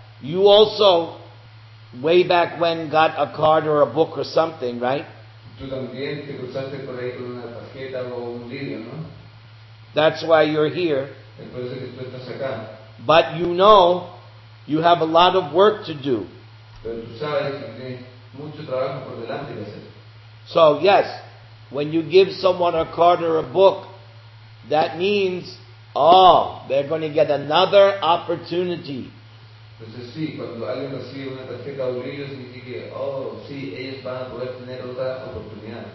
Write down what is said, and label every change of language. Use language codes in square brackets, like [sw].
[en] You also, way back when, got a card or a book or something, right? [es] Tú también te cruzaste por ahí con una tarjeta o un libro, ¿no? [en] That's why you're here. [es] Es por eso que tú estás acá. [en] But you know, you have a lot of work to do. [es] Pero tú sabes que tienes mucho trabajo por delante de hacer. [en] So, yes, when you give someone a card or a book, that means, oh, they're going to get another opportunity. [es] Entonces sí, cuando alguien recibe una tarjeta de brillo, significa, oh, sí, ellos van a poder tener otra oportunidad.